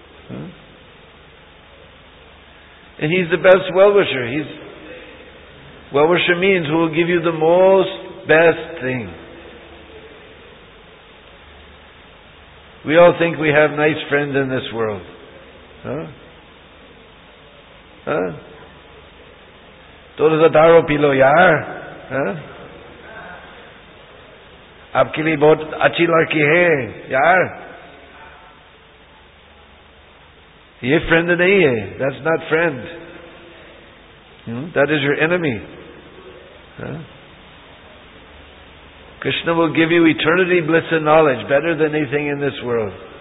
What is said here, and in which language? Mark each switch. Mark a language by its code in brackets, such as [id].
[en] And he's the best well-wisher. Well-wisher means who will give you the most best thing. We all think we have nice friends in this world. [hi] तोडा ज़ा दारो pillow यार. आपके लिये बहुत अच्छी लड़की है यार. ये फ्रेंड नहीं है. [en] That's not friend. That is your enemy. Krishna will give you eternity bliss and knowledge better than anything in this world.